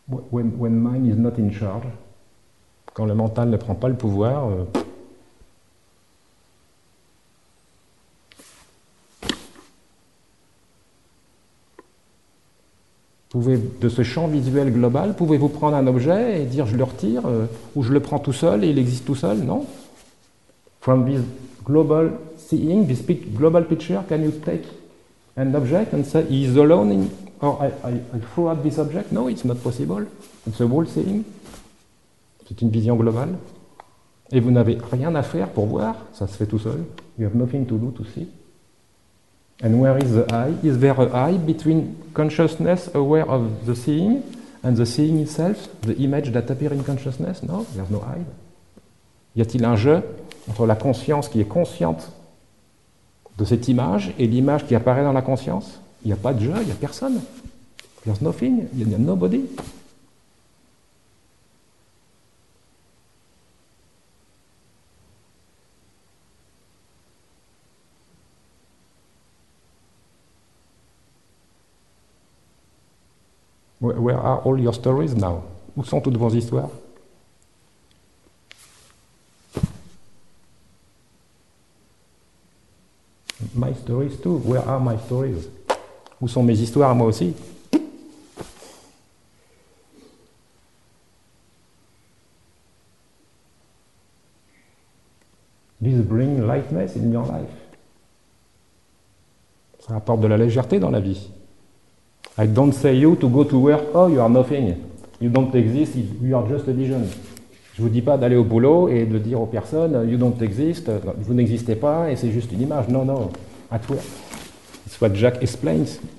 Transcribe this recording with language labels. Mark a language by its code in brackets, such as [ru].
[en] When mind is not in charge, [fr] quand le mental ne prend pas le pouvoir, pouvez, de ce champ visuel global, pouvez-vous prendre un objet et dire je le retire ou je le prends tout seul et il existe tout seul? Non. [en] From this global seeing, this global picture, can you take an object and say he is alone in, or I throw out this object? No, it's not possible. It's a whole seeing. [fr] C'est une vision globale. Et vous n'avez rien à faire pour voir, ça se fait tout seul. [en] You have nothing to do to see. And where is the eye? Is there a eye between consciousness aware of the seeing and the seeing itself, the image that appears in consciousness? No, there's no eye. [fr] Y a-t-il un jeu entre la conscience qui est consciente de cette image et l'image qui apparaît dans la conscience? Il n'y a pas de jeu, il n'y a personne. [en] There's nothing, [fr] il n'y a [en] nobody. Where are all your stories now? [fr] Où sont toutes vos histoires? [en] My stories too. Where are my stories? [fr] Où sont mes histoires à moi aussi? [en] This brings lightness in your life. [fr] Ça apporte de la légèreté dans la vie. [en] I don't say you to go to work, oh, you are nothing. You don't exist, you are just a vision. [fr] Je vous dis pas d'aller au boulot et de dire aux personnes, [en] you don't exist, [fr] vous n'existez pas et c'est juste une image. Non, non, [en] at work. It's what Jack explains.